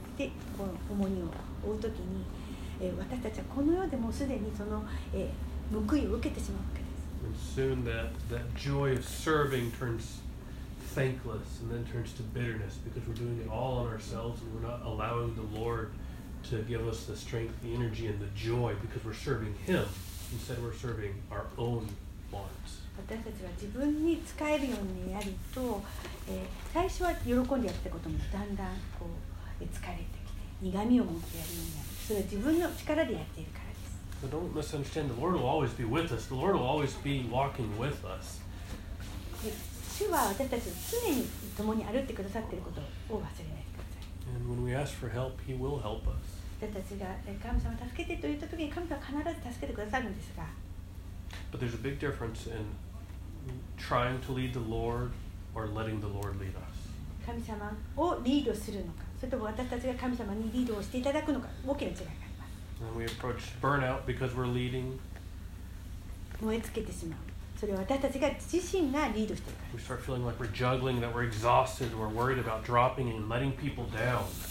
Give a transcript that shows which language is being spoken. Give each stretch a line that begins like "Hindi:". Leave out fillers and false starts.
Japanese: でこの重荷を負うときに、私たちはこの世でもすでにその、報いを受けてしまうわけです。
English: And soon that joy of serving turns thankless and then turns to bitterness because we're doing it all on ourselves and we're not allowing the Lord to give us the strength, the energy, and the joy because we're serving Him instead we're serving our own wants.
Japanese: 私たちは自分に使えるようにやると、最初は喜んでやったこともだんだんこう。疲れてきて苦味を持ってやるようになる。それは自分の力でやっているからです。
English: So don't misunderstand. The Lord will always be with us. The Lord will always be walking with us.
Japanese: 主は私たちを常に共に歩いてくださっていることを忘れないでください。
English: And when we ask for help, He will help us.
Japanese: 人たちが神様助けてと言った時に神様は必ず助けてくださるんですが。
English: But there's a big difference in trying to lead the Lord or letting the Lord lead us.
Japanese: 神様をリードするのか、それとも私たちが神様にリードをしていただくのか、大きな違いがあります。
English: And we approach burnout because we're leading.
Japanese: 燃え尽けてしまう。それは私たちが自身がリードしているから。
English: We start feeling like we're juggling, that we're exhausted, we're worried about dropping and letting people down.